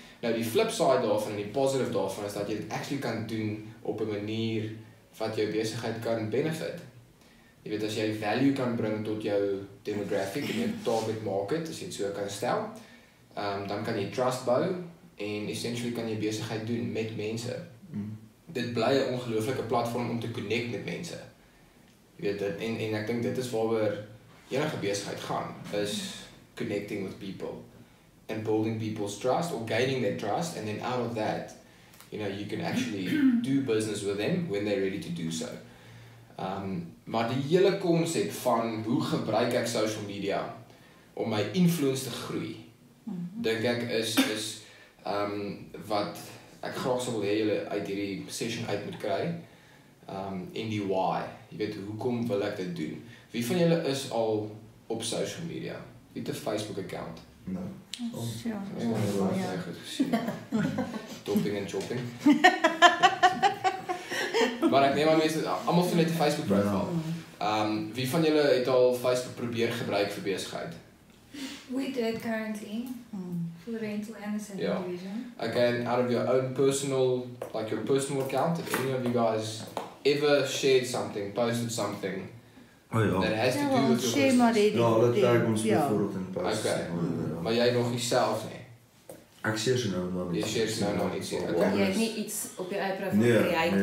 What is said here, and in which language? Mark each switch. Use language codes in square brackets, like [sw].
[af] Nou die flip side daarvan en die positive daarvan is dat jy dit actually kan doen op 'n manier wat jou besigheid kan benefit. Jy weet, as jy value kan bring tot jou demographic en jou target market, as jy het so kan stel, dan kan jy trust bou, en essentially kan jy besigheid doen met mense. Dit bly 'n ongelooflike platform om te connect met mense. Jy weet, en ek dink dit is waaroor enige besigheid gaan, is [en] connecting with people, and building people's trust, or gaining their trust, and then out of that, you know, you can actually do business with them when they're ready to do so. [af] Maar die hele concept van hoe gebruik ek social media om my influence te groei, denk ek is wat ek graag sal wil hê julle uit hierdie session uit moet kry, en die why. Jy weet, hoekom wil ek dit doen? Wie van julle is al op social media? Wie het 'n Facebook account? Nee. Ons sien. Ons het goed gesien. Topping en chopping. Maar ek neem aan mense, almal het net 'n Facebook profiel. Wie van julle het al Facebook probeer gebruik vir besigheid? [en] We did currently. For rental and the same division. Again, out of your own personal, like your personal account, if any of you guys ever shared something, posted something, that has to do with your business. [af] Ja, dit tag ons bijvoorbeeld in post. Okay. Maar jy nog nie self nie? Ek share so nou nog nie. Jy share so nou nog nie. Jy het nie iets op jou eie profiel gecreëerd